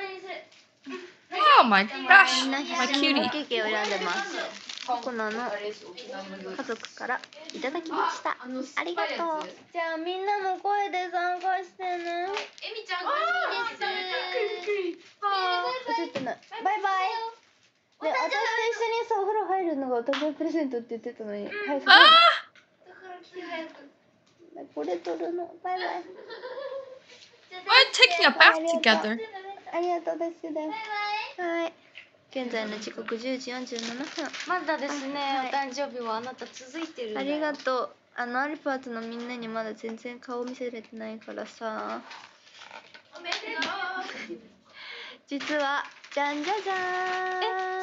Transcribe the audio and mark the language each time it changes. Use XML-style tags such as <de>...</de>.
<en>Cake too. Oh my gosh, my cutie.</en> <ja>ケーキを選んでます。ココナの家族からいただきました。ありがとう。じゃあみんなも声で参加してね。エミちゃん、こんにちは。クリクリ。あ、映ってない。バイバイ。で、私と一緒にさ、お風呂入るのがお誕生日プレゼントって言ってたのに。ああ。だから早く。これ取るの。バイバイ。</ja> <en>We're taking a bath together.</en> <ja>ありがとうですね。バイバイ。はい。現在の時刻10時47分。まだですね、はい。お誕生日はあなた続いてる。ありがとう。あのアルパーツのみんなにまだ全然顔見せれてないからさ。おめでとう。実はじゃんじゃじゃーん。</ja>